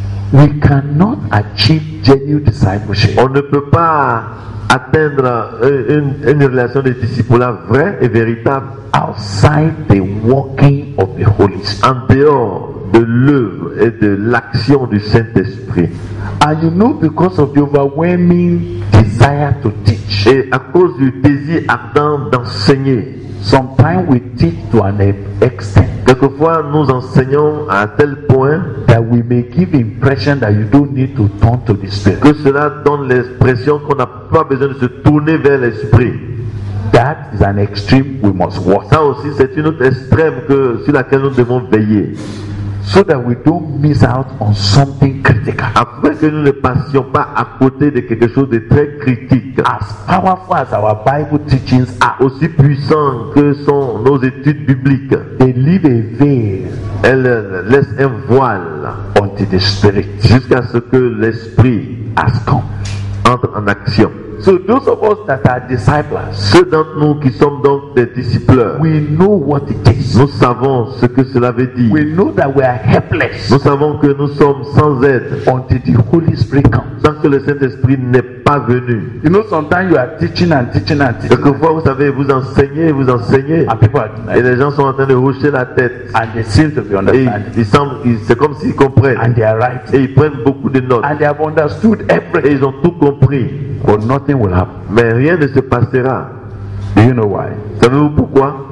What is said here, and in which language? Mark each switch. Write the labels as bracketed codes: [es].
[en] We cannot achieve genuine discipleship. [fr] On ne peut pas atteindre une relation de discipulat vraie et véritable [en] outside the working of the Holy Spirit. [fr] En dehors de l'œuvre et de l'action du Saint-Esprit. [en] And you know, because of the overwhelming desire to teach, [fr] et à cause du désir ardent d'enseigner, [en] sometimes we teach to an extent. [fr] Quelquefois, nous enseignons à tel point [en] that we may give impression that you don't need to turn to the Spirit. [fr] Que cela donne l'impression qu'on n'a pas besoin de se tourner vers l'Esprit. [en] That is an extreme we must watch. [fr] Ça aussi, c'est une autre extrême que sur laquelle nous devons veiller. [en] So that we don't miss out on something critical. [fr] Après que nous ne passions pas à côté de quelque chose de très critique. [en] As powerful as our Bible teachings are, [fr] aussi puissant que sont nos études bibliques. [en] They leave a veil. [fr] Elles laissent un voile. [en] Unto the Spirit. [fr] Jusqu'à ce que l'Esprit [en] has come. [fr] Entre en action. [en] So those of us that are disciples, [fr] ceux d'entre nous qui sommes donc des disciples, [en] we know what it is. [fr] Nous savons ce que cela veut dire. [en] We know that we are helpless. [fr] Nous savons que nous sommes sans aide. [en] Until the Holy Spirit comes. [fr] Tant que le Saint-Esprit n'est pas venu. [en] You know, sometimes you are teaching and teaching and teaching. [fr] Quelquefois, vous savez, vous enseignez. [en] And people are denied. [fr] Et les gens sont en train de hocher la tête. [en] And they seem to be understanding. [fr] C'est comme s'ils comprennent. [en] And they are right. [fr] Et ils prennent beaucoup de notes. [en] And they have understood everything. [fr] Et ils ont tout compris. [en] But nothing will happen. [fr] Mais rien ne se passera. [en] Do you know why? [fr] Savez-vous pourquoi?